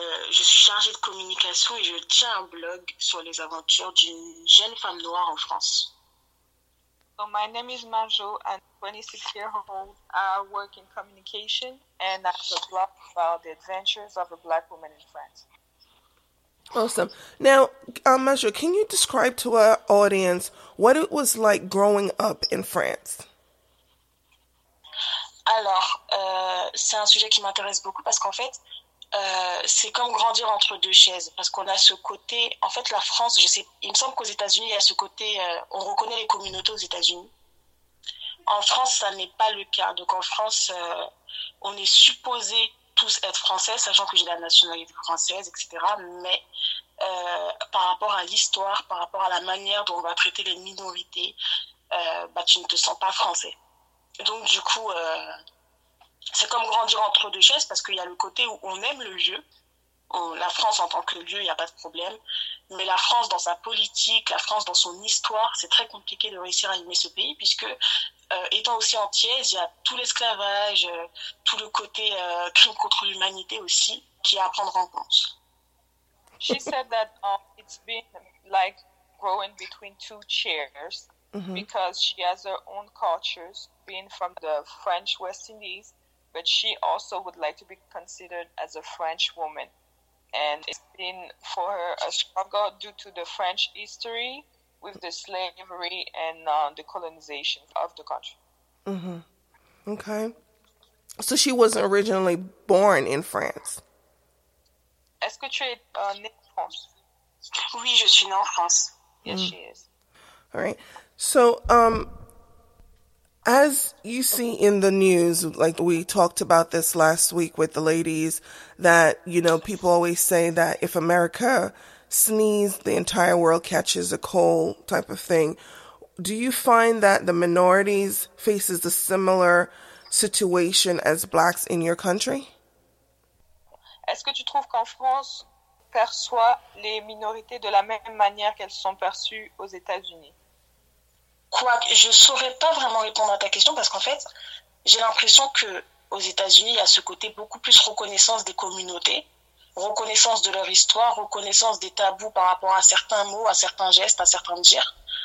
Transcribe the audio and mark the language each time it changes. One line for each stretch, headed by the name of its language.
French: Je suis chargée de communication et je tiens un blog sur les aventures d'une jeune femme noire en France.
English: So my name is Majo, I'm 26-year-old, I work in communication, and I have a blog about the adventures of a black woman in France. Awesome. Now, Majo, can you describe to our audience what it was like growing up in France?
French: Alors, c'est un sujet qui m'intéresse beaucoup parce qu'en fait, c'est comme grandir entre deux chaises, parce qu'on a ce côté, en fait la France, je sais, il me semble qu'aux États-Unis il y a ce côté, on reconnaît les communautés aux États-Unis. En France ça n'est pas le cas, donc en France on est supposé tous être français, sachant que j'ai la nationalité française, etc. Mais par rapport à l'histoire, par rapport à la manière dont on va traiter les minorités, bah, tu ne te sens pas français. Donc du coup... c'est comme grandir entre deux chaises parce qu'il y a le côté où on aime le lieu. La France en tant que lieu, il n'y a pas de problème. Mais la France dans sa politique, la France dans son histoire, c'est très compliqué de réussir à aimer ce pays puisque, étant aussi antillaise, il y a tout l'esclavage, tout le côté crime contre l'humanité aussi qui est à prendre en compte.
English: She said that it's been like growing between two chairs mm-hmm. because she has her own cultures, being from the French West Indies. but she also would like to be considered as a French woman. And it's been for her a struggle due to the French history with the slavery and the colonization of the country. Mm-hmm. Okay. So she wasn't originally born in France.
French: Est-ce que tu es née en France? Oui, je suis née en France.
English: Yes, she is. All right. So, as you see in the news, like we talked about this last week with the ladies, that, you know, people always say that if America sneezes, the entire world catches a cold type of thing. Do you find that the minorities faces a similar situation as blacks in your country?
French: Est-ce que tu trouves qu'en France perçoit les minorités de la même manière qu'elles sont perçues aux États-Unis? Quoi, je ne saurais pas vraiment répondre à ta question parce qu'en fait, j'ai l'impression qu'aux États-Unis, il y a ce côté beaucoup plus reconnaissance des communautés, reconnaissance de leur histoire, reconnaissance des tabous par rapport à certains mots, à certains gestes, à certains dires.